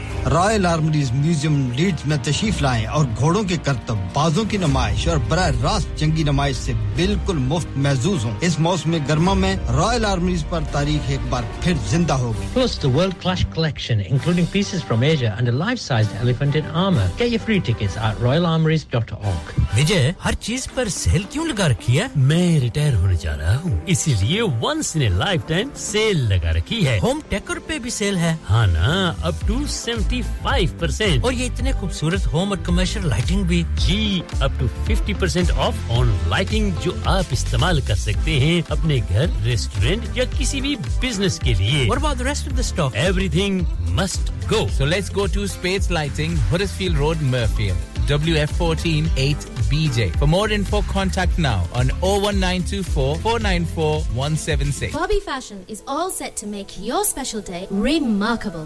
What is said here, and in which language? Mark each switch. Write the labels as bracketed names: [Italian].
[Urdu] Royal Armouries Museum Leeds میں تشریف لائیں اور گھوڑوں کے کرتب بازوں کی نمائش اور براہ راست جنگی نمائش سے بالکل مفت محظوظ ہوں اس موسم گرما میں Royal Armouries پر تاریخ ایک بار پھر زندہ ہوگی [English] Plus the world class collection including pieces from Asia and a life-sized elephant in armour Get your free tickets at royalarmouries.org [Urdu] Vijay, ہر چیز پر سیل کیوں لگا رکھی ہے؟ میں ریٹائر ہونے جا رہا ہوں اسی لیے [English] once in a lifetime [Urdu] cell لگا رکھی ہے ہوم ٹیکر پہ بھی سیل ہے ہاں نا, [English] up to 75% [Urdu] اور یہ اتنے خوبصورت ہوم اور کمرشل لائٹنگ بھی جی, [English] up to 50% off on lighting [Urdu] جو آپ استعمال کر سکتے ہیں اپنے گھر, ریسٹورنٹ یا کسی بھی بزنس کے لیے [English] What about the rest of the stock? Everything must go So let's go to Spades Lighting, Huddersfield Road, Murfield WF14 8BJ. For more info, contact now on 01924-494-176. Bobby Fashion is all set to make your special day remarkable.